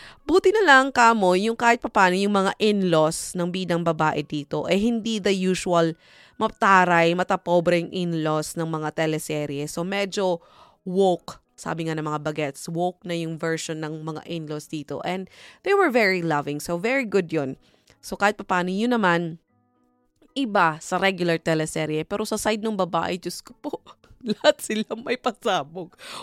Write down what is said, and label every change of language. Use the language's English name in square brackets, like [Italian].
[Filipino] Buti na lang, kamo, yung kahit papano, yung mga in-laws ng bidang babae dito, hindi [English] the usual [Filipino] mataray, matapobreng in-laws ng mga teleserye. So, medyo woke, sabi nga ng mga bagets, woke na yung version ng mga in-laws dito. [English] And they were very loving, so very good yun. [Filipino] So, kahit papano, yun naman, iba sa regular teleserye. Pero sa side ng babae, Diyos ko po, lahat sila may pasabog.